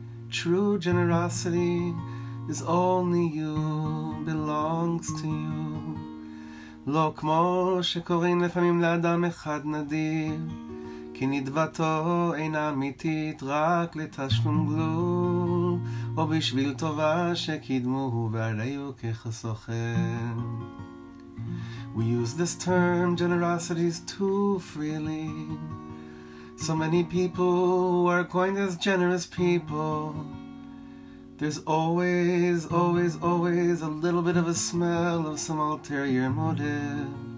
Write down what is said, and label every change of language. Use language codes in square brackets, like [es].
[en] True generosity is only you, belongs to you. [he] לא כמו שקוראים לפעמים לאדם אחד נדיב, כי נדבתו אינה אמיתית רק לתשלום גלול, או בשביל טובה שקידמו והריו כחסוכן. [en] We use this term generosity too freely. So many people who are coined as generous people, there's always, always, always a little bit of a smell of some ulterior motive.